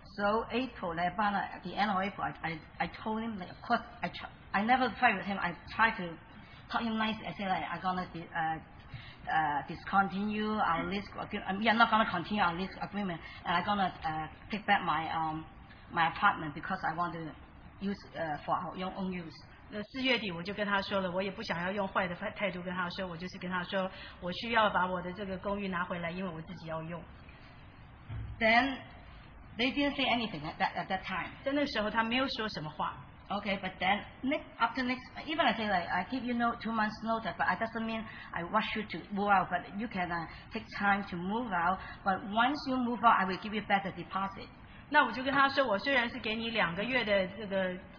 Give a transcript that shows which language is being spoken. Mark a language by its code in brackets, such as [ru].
[en] So April, like about at the end of April, I told him like, of course I never fight with him. I try to talk him nice. I say like I'm gonna discontinue our lease agreement. We are not gonna continue our lease agreement, and I'm gonna take back my my apartment because I want to use for our own use. [zh] 那四月底我就跟他说了，我也不想要用坏的态度跟他说，我就是跟他说，我需要把我的这个公寓拿回来，因为我自己要用。 [en] Then they didn't say anything at that time. [zh] 在那时候他没有说什么话。 [en] Okay, but then even I say like I give you no 2 months notice, but it doesn't mean I rush you to move out. But you can take time to move out. But once you move out, I will give you back the deposit. [zh] 那我就跟他说，我虽然是给你两个月的这个。